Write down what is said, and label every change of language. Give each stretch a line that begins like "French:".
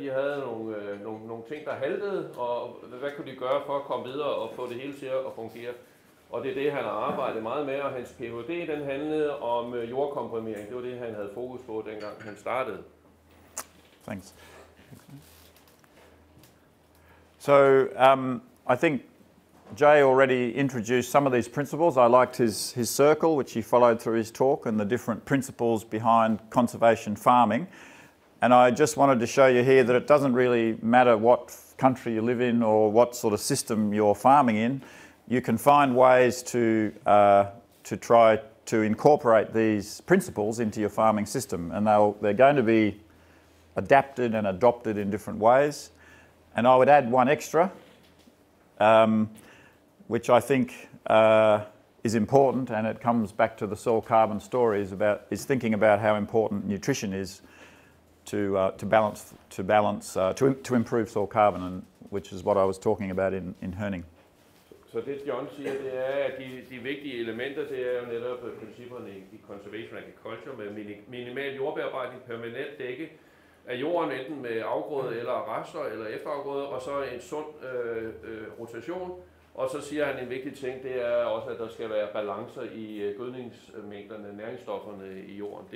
Danish: De havde nogle ting, der haltede, og hvad kunne de gøre for at komme videre og få det hele til at fungere? Og det er det, han har arbejdet meget med, og hans PhD, den handlede om jordkomprimering. Det var det, han havde fokus på, dengang han startede.
English: Thanks. So, I think Jay already introduced some of these principles. I liked his circle, which he followed through his talk, and the different principles behind conservation farming. And I just wanted to show you here that it doesn't really matter what country you live in or what sort of system you're farming in. You can find ways to try to incorporate these principles into your farming system, and they're going to be adapted and adopted in different ways. And I would add one extra, which I think is important, and it comes back to the soil carbon story, is thinking about how important nutrition is to improve soil carbon, and which is what I was talking about in Herning.
Danish: Så det, John siger, det er, at de vigtige elementer, det er jo netop principperne i conservation agriculture med minimal jordbearbejdning, permanent dække af jorden, enten med afgrøde eller rester eller efterafgrøde, og så en sund rotation. Og så siger han en vigtig ting, det er også, at der skal være balancer i gødningsmængderne, næringsstofferne i jorden.